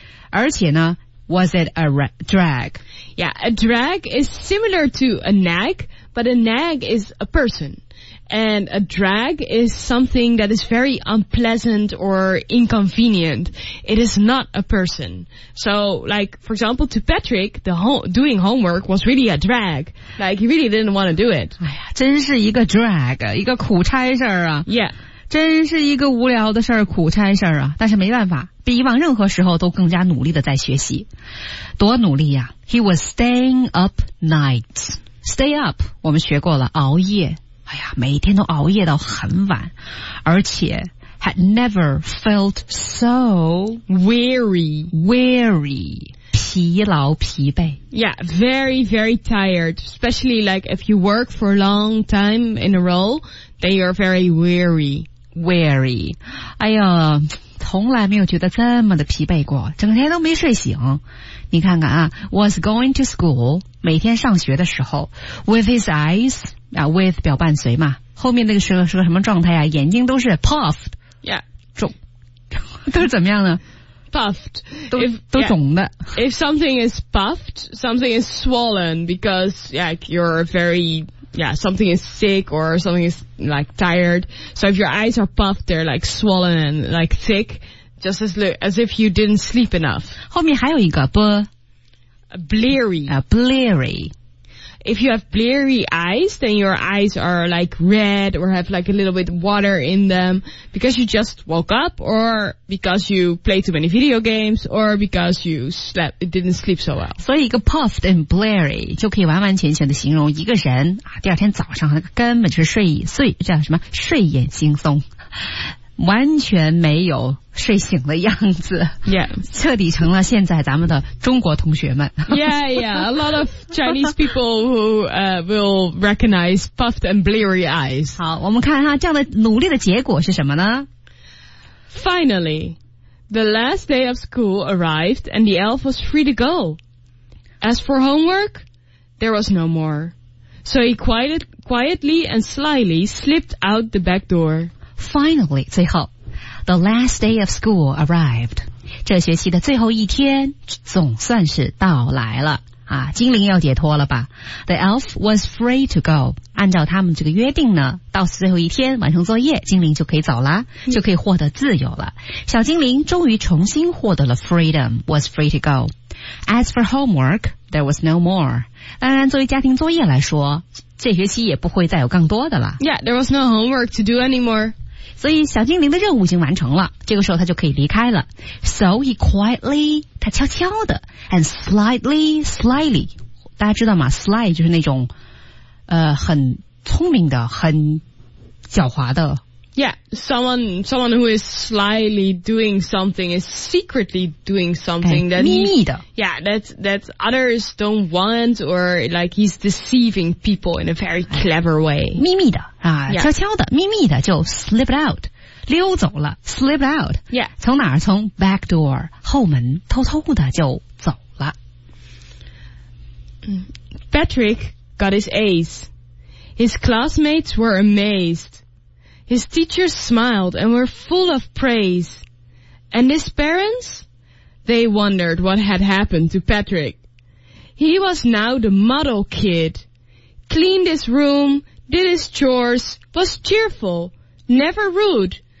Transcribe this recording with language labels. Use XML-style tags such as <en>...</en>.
<en>而且呢 ,was it a drag? Yeah, a drag is similar to a nag. But a nag is a person, and a drag is something that is very unpleasant or inconvenient. It is not a person. So, like, for example, to Patrick, doing homework was really a drag. Like, he really didn't want to do it.</en> <zh>哎呀，真是一个 drag, 一个苦差事啊。</zh> <en>Yeah.</en> <zh>真是一个无聊的事儿，苦差事儿啊！但是没办法，比以往任何时候都更加努力的在学习，多努力呀、啊、！</zh> <en>He was staying up nights.</en> <zh>Stay up, 我们学过了，熬夜。哎呀，每天都熬夜到很晚，而且</zh> <en>had never felt so weary.</en> <zh>疲劳疲惫</zh> <en>Yeah, very, very tired. Especially like if you work for a long time in a row, then you're very weary. Weary.</en> <zh>哎呀，从来没有觉得这么的疲惫过，整天都没睡醒。你看看啊 ,</zh> <en>was going to school,</en> <zh>每天上学的时候 ,</zh> <en>with his eyes,、</en> <zh>with 表伴随嘛，后面那个时候是个什么状态啊，眼睛都是 puffed.</zh> <en>Yeah.</en> <zh>肿。都是怎么样呢</zh> <en>Puffed.</en> <zh>都肿的。</zh> <en>If something is puffed, something is swollen because like, you're very, yeah, something is sick or something is like tired. So if your eyes are puffed, they're like swollen and like thick, just as if you didn't sleep enough.</en> <zh>后面还有一个</zh> <en>bleary. Bleary. If you have bleary eyes, then your eyes are like red or have like a little bit water in them because you just woke up or because you played too many video games or because you didn't sleep so well.</en> <zh>所以一个 puffed and bleary 就可以完完全全的形容一个人、啊、第二天早上那个根本就是睡眼惺忪，完全没有睡醒的样子</zh> <en>，Yeah，</en> <zh>彻底成了现在咱们的中国同学们。</zh> <en>Yeah, a lot of Chinese people who will recognize puffed and bleary eyes.</en> <zh>好，我们看哈，这样的努力的结果是什么呢</zh> <en>？Finally, the last day of school arrived, and the elf was free to go. As for homework, there was no more. So he quietly and slyly slipped out the back door.</en> <zh>Finally, 最后</zh> <en>the last day of school arrived.</en> <zh>这学期的最后一天总算是到来了。啊，精灵要解脱了吧。</zh> <en>The elf was free to go.</en> <zh>按照他们这个约定呢，到最后一天完成作业，精灵就可以走了，就可以获得自由了。小精灵终于重新获得了 freedom,</zh> <en>was free to go. As for homework, there was no more.</en> <zh>当然作为家庭作业来说，这学期也不会再有更多的了。</zh> <en>Yeah, there was no homework to do anymore.</en> <zh>所以小精灵的任务已经完成了，这个时候他就可以离开了。</zh> <en>So he quietly,</en> <zh>他悄悄的</zh> <en>and slightly,</en> <zh>大家知道吗 ?sly 就是那种很聪明的很狡猾的。</zh> <en>Yeah, someone who is slyly doing something is secretly doing something that that others don't want, or like he's deceiving people in a very clever way.</en> <zh>秘密的啊、yeah. 悄悄的秘密的就 slip out, 溜走了 slip out.</zh> <en>Yeah.</en> <zh>从哪儿从 back door, 后门偷偷的就走了。</zh> <en>Patrick got his A's. His classmates were amazed. His teachers smiled and were full of praise. And his parents? They wondered what had happened to Patrick. He was now the model kid. Cleaned his room, did his chores, was cheerful, never rude.</en>